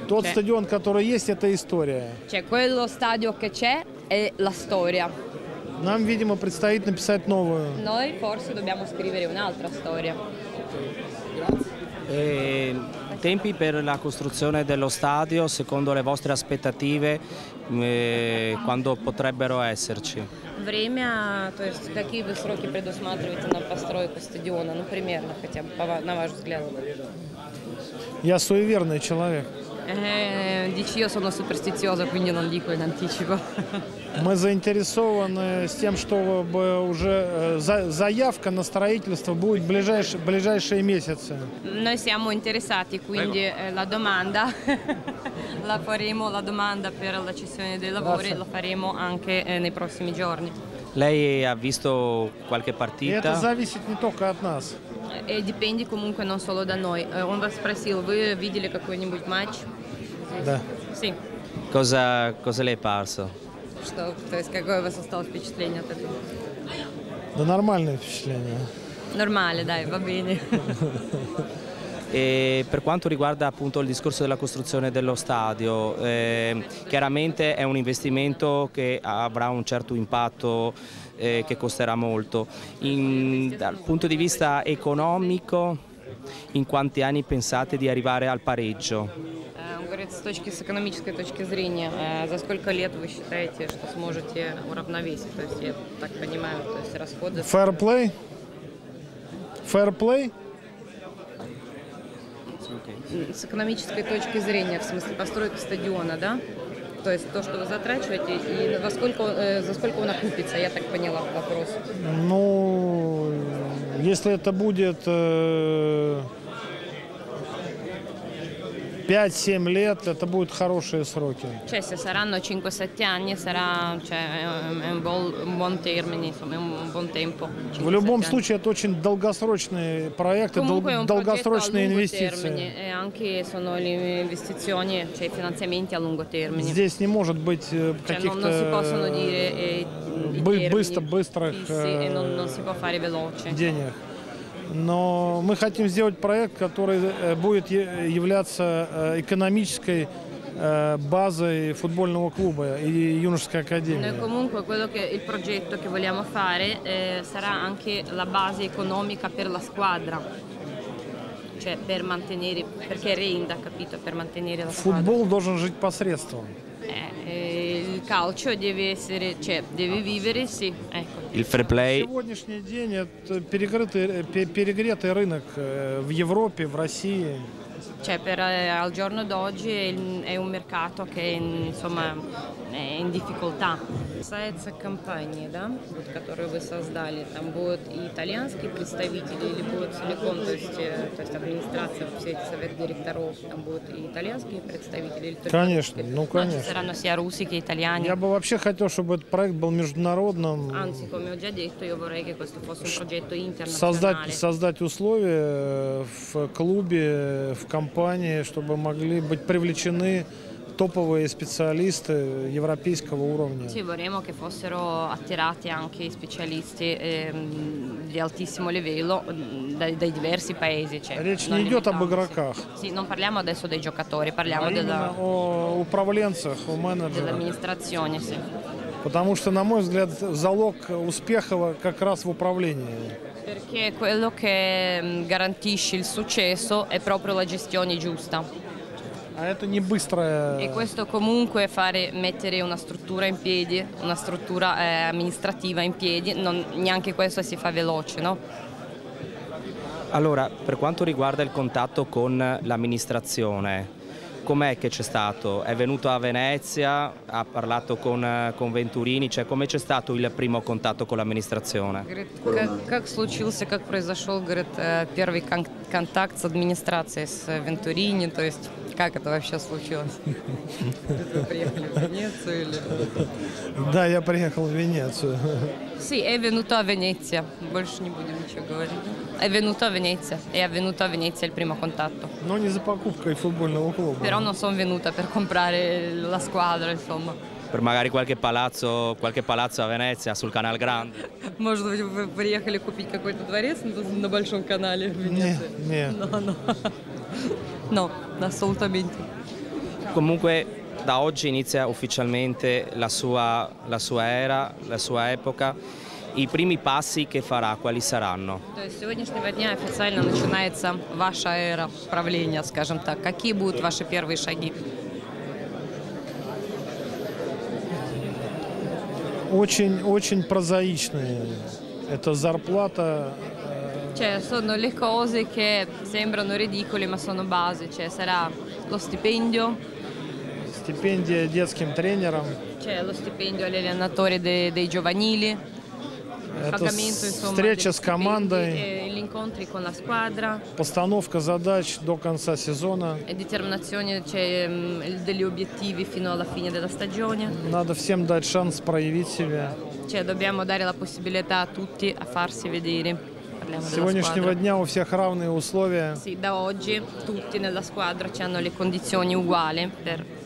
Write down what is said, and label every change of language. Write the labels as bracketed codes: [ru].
[ru] Тот стадион, который есть, это история. [it] Cioè, quello stadio che c'è è la storia. [ru] Нам, видимо, предстоит написать новую. [it] Noi forse dobbiamo scrivere un'altra storia. Grazie. Tempi per la costruzione dello stadio, secondo le vostre aspettative, quando potrebbero esserci? [ru] Время, то есть какие вы сроки предусматриваете на постройку стадиона, ну примерно, хотя бы на ваш взгляд? Я суеверный человек. [it] Dici io sono superstizioso, quindi non dico in anticipo. [ru] Мы заинтересованы с тем, чтобы уже заявка на строительство будет ближайшие месяцы. [it] Noi siamo interessati, quindi la domanda la faremo, la domanda per la cessione dei lavori la faremo anche nei prossimi giorni. Lei ha visto qualche partita? [ru] Это зависит не только от нас. [it] E dipende comunque non solo da noi. [ru] Он вас спросил, вы видели какой-нибудь матч? Да. [it] Sì. Cosa le è parso? [ru] Что, то есть какое у вас осталось впечатление от этого? Да нормальное впечатление. Нормально, да, [it] va bene. E per quanto riguarda appunto il discorso della costruzione dello stadio, chiaramente è un investimento che avrà un certo impatto, che costerà molto. Dal punto di vista economico, in quanti anni pensate di arrivare al pareggio? [ru] С точки с экономической точки зрения, за сколько лет вы считаете, что сможете уравновесить? То есть, я так понимаю, то есть расходы. [en] Fair play? Fair play? [ru] С экономической точки зрения, в смысле постройки стадиона, да? То есть то, что вы затрачиваете, и за сколько он окупится, я так поняла вопрос. Ну, если это будет 5-7 лет, это будут хорошие сроки. [it] Cioè, se saranno 5-7 anni, sarà un buon termine, un buon tempo. [ru] В любом случае, это очень долгосрочные проекты, долгосрочные инвестиции. [it] E anche sono le investizioni, cioè i finanziamenti a lungo termine. [ru] Здесь не может быть каких-то быстрых денег. Но мы хотим сделать проект, который будет являться экономической базой футбольного клуба и юношеской академии. [it] Но, comunque, quello che il progetto che vogliamo fare sarà anche la base economica per la squadra. Cioè, per mantenere, perché rende, capito, per mantenere la squadra. [ru] Футбол должен жить посредством. [it] Il calcio deve essere, cioè, deve vivere, sì. Ecco. Il fair play. [ru] Сегодняшний день это перегретый рынок в Европе, в России. [it] Cioè, per al giorno d'oggi è un mercato che insomma è in difficoltà. [ru] Сайца компании, да, вот, которую вы создали, там будут и итальянские представители или будут целиком, то есть администрация, все эти совет директоров, там будут и итальянские представители? Или конечно, ну конечно. Значит, все равно русские, итальяне. Я бы вообще хотел, чтобы этот проект был международным. [it] Anzi, come ho già detto, io vorrei che questo fosse un progetto internazionale. [ru] Создать условия в клубе, в компании, чтобы могли быть привлечены топовые специалисты европейского уровня. [it] Sì, vorremmo che fossero attirati anche i specialisti di altissimo livello dai diversi paesi. Cioè, [ru] речь не идет об игроках. [it] Sì, non parliamo adesso dei giocatori, parliamo della [ru] управленцах, у менеджерах. [it] Dell'amministrazione, sì. [ru] Потому что, на мой взгляд, залог успеха как раз в управлении. [it] Perché quello che garantisce il successo è proprio la gestione giusta. [ru] А это не быстрое. [it] И questo comunque fare mettere una struttura in piedi, una struttura amministrativa in piedi, non neanche questo si fa veloce, no? Allora, per quanto riguarda il contatto con l'amministrazione, com'è che c'è stato? È venuto a Venezia, ha parlato con Venturini, cioè come c'è stato il primo contatto con l'amministrazione? [ru] Как случился, как произошёл, говорит, первый контакт с администрацией с Venturini, то есть как это вообще случилось? Вы приехали в Венецию или? Да, я приехал в Венецию. [it] Sì, è venuto a Venezia. [ru] Больше не будем ничего говорить. [it] È venuto a Venezia. È venuto a Venezia il primo contatto. [ru] Но не за покупкой футбольного клуба. [it] Però non sono venuta per comprare la squadra, insomma. Per magari qualche palazzo a Venezia sul Canal Grande. [ru] Может быть, вы приехали купить какой-то дворец на большом канале в Венеции? Нет, нет. [it] No, assolutamente. Comunque, da oggi inizia ufficialmente la sua era, la sua epoca. I primi passi che farà, quali saranno? [ru] То есть, с сегодняшнего дня официально начинается ваша эра правления, скажем так. Какие будут ваши первые шаги? Очень-очень прозаичные. Это зарплата. [it] Cioè, sono le cose che sembrano ridicole, ma sono base. Cioè, sarà lo stipendio. Stipendio di [ru] детским тренером. [it] Cioè, lo stipendio agli allenatori dei giovanili. Pagamento, insomma. [ru] Встреча с командой. [it] Gli incontri con la squadra. [ru] Постановка задач до конца сезона. [it] E determinazione, cioè, degli obiettivi fino alla fine della stagione. [ru] Надо всем дать шанс проявить себя. [it] Cioè, dobbiamo dare la possibilità a tutti a farsi vedere. [ru] С сегодняшнего дня у всех равные условия. [it] Sì, da oggi tutti nella squadra hanno le condizioni uguali per.